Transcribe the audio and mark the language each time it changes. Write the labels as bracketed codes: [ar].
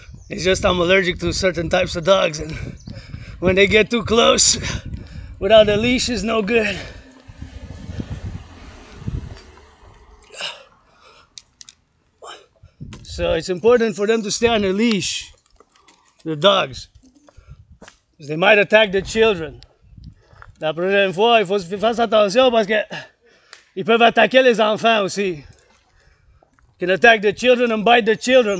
[en] It's just I'm allergic to certain types of dogs, and when they get too close, without a leash is no good. So it's important for them to stay on a leash, the dogs, because they might attack the children. [fr] La prochaine fois, il faut faire attention parce que ils peuvent attaquer les enfants aussi. [en] Can attack the children and bite the children.